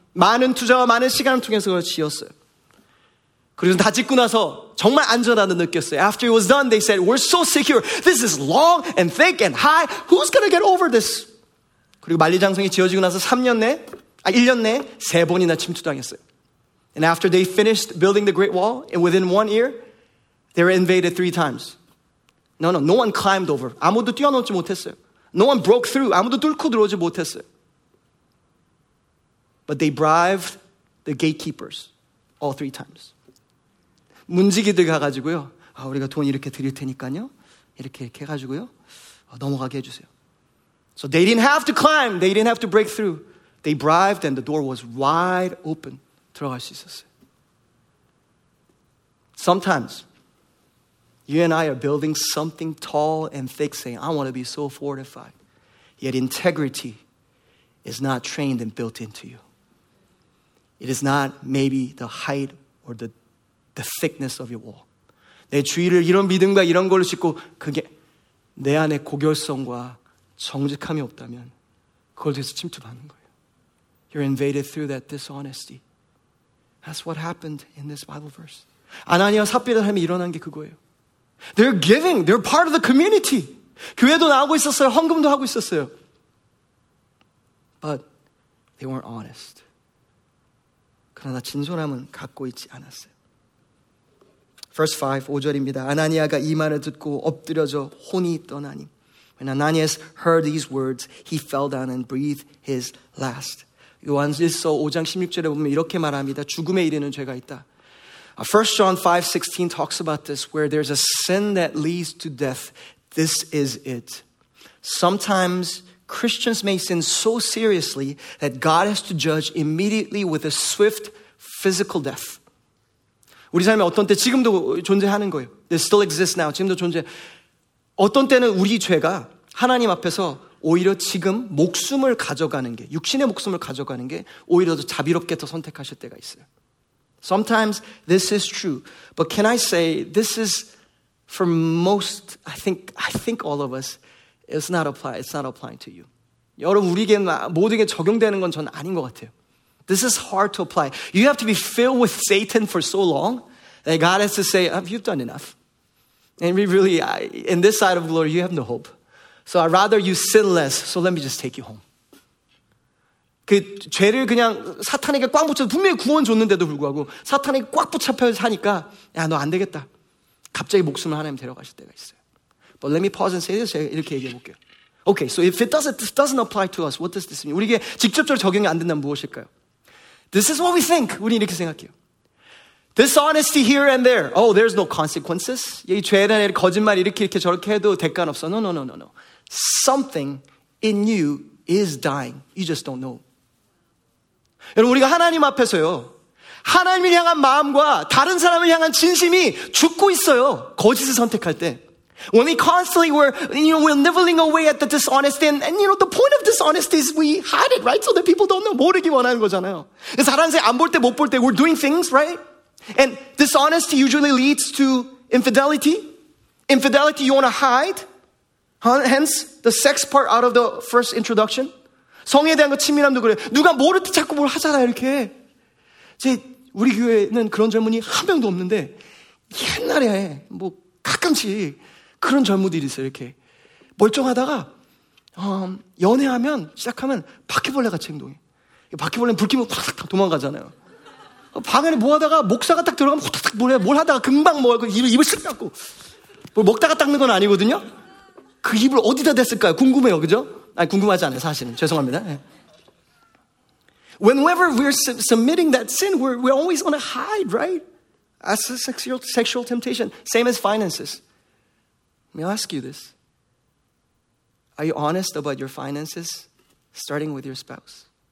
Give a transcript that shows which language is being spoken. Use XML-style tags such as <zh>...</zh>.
<ko>많은 투자와 많은 시간을 통해서 그걸 지었어요. 그리고 다 짓고 나서 정말 안전하다 느꼈어요.</ko> <en>After it was done, they said, we're so secure. This is long and thick and high. Who's going to get over this?</en> <ko>그리고 만리장성이 지어지고 나서 1년 내 세 번이나 침투당했어요.</ko> <en>And after they finished building the Great Wall, and within 1 year, they were invaded 3 times. No one climbed over.</en> <ko>아무도 뛰어넘지 못했어요.</ko> <en>No one broke through.</en> <ko>아무도 뚫고 들어오지 못했어요.</ko> <en>But they bribed the gatekeepers all 3 times.</en> <ko>문지기들 가가지고요. 아, 우리가 돈 이렇게 드릴 테니까요. 이렇게 해가지고요. 넘어가게 해주세요.</ko> <en>So they didn't have to climb. They didn't have to break through. They bribed and the door was wide open.</en> <ko>들어갈 수 있었어요.</ko> <en>Sometimes, you and I are building something tall and thick, saying, I want to be so fortified. Yet integrity is not trained and built into you. It is not maybe the height or the thickness of your wall.</en> <ko>내 주위를 이런 믿음과 이런 걸로 짓고 그게 내 안에 고결성과 정직함이 없다면 그걸 통해서 침투받는 거예요.</ko> <en>You're invaded through that dishonesty. That's what happened in this Bible verse.</en> <ko>아나니아 삽비라 삶이 일어난 게 그거예요.</ko> <en>They're giving. They're part of the community.</en> <ko>교회도 나오고 있었어요. 헌금도 하고 있었어요.</ko> <en>But they weren't honest.</en> <ko>그러나 진솔함은 갖고 있지 않았어요.</ko> <en>Verse 5,</en> <ko>5절입니다. 아나니아가 이 말을 듣고 엎드려져 혼이 떠나니.</ko> <en>When Ananias heard these words, he fell down and breathed his last.</en> <ko>요한일서 5장 16절에 보면 이렇게 말합니다. 죽음에 이르는 죄가 있다.</ko> <en>1 John 5:16 talks about this, where there's a sin that leads to death. This is it. Sometimes Christians may sin so seriously that God has to judge immediately with a swift physical death.</en> <ko>우리 삶에 어떤 때 지금도 존재하는 거예요.</ko> <en>It still exists now.</en> <ko>지금도 존재. 어떤 때는 우리 죄가 하나님 앞에서 오히려 지금 목숨을 가져가는 게, 육신의 목숨을 가져가는 게 오히려 더 자비롭게 더 선택하실 때가 있어요.</ko> <en>Sometimes this is true. But can I say this is for most, I think all of us, it's not applying to you.</en> <ko>여러분, 우리에게 모두에게 적용되는 건 전 아닌 것 같아요.</ko> <en>This is hard to apply. You have to be filled with Satan for so long that God has to say, you've done enough. And we really, in this side of glory, you have no hope. So I'd rather you sin less, so let me just take you home.</en> <ko>그 죄를 그냥 사탄에게 꽉 붙여서 분명히 구원 줬는데도 불구하고 사탄에게 꽉 붙잡혀서 사니까 야, 너 안 되겠다. 갑자기 목숨을 하나님 데려가실 때가 있어요.</ko> <en>But let me pause and say this.</en> <ko>제가 이렇게 얘기해 볼게요.</ko> <en>Okay, so if it doesn't apply to us, what does this mean?</en> <ko>우리에게 직접적으로 적용이 안 된다면 무엇일까요?</ko> <en>This is what we think.</en> <ko>우리 이렇게 생각해요.</ko> <en>Dishonesty here and there. Oh, there's no consequences.</en> <ko>이 죄에 대한 거짓말 이렇게 이렇게 저렇게 해도 대가는 없어.</ko> <en>No. Something in you is dying. You just don't know.</en> <ko>여러분, 우리가 하나님 앞에서요, 하나님을 향한 마음과 다른 사람을 향한 진심이 죽고 있어요. 거짓을 선택할 때.</ko> <en>When we constantly were nibbling away at the dishonesty, and the point of dishonesty is we hide it, right? So that people don't know.</en> <ko>모르기 원하는 거잖아요. 사람들이 안 볼 때 못 볼 때</ko> <en>we're doing things, right? And dishonesty usually leads to infidelity. Infidelity you want to hide. Hence the sex part out of the first introduction.</en> <ko>성에 대한 거 친밀함도 그래. 누가 모를 때 자꾸 뭘 하잖아 이렇게. 이제 우리 교회는 그런 젊은이 한 명도 없는데 옛날에 뭐 가끔씩 그런 젊은이들이 있어요 이렇게. 멀쩡하다가 연애하면 시작하면 바퀴벌레 같이 행동해. 바퀴벌레는 불 켜면 확 도망가잖아요. 방 안에 뭐 하다가 목사가 딱 들어가면 후딱딱 뭘 해. 뭘 하다가 금방 뭐 하고 입을 쓱 닦고. 뭘 먹다가 닦는 건 아니거든요. 그 입을 어디다 댔을까요? 궁금해요. 그죠? 아니, 궁금하지 않아요. 사실은. 죄송합니다. 예.</ko> <en>Whenever we're submitting that sin, we're always going to hide, right? That's a sexual temptation. Same as finances. Let me ask you this. Are you honest about your finances, starting with your spouse?</en>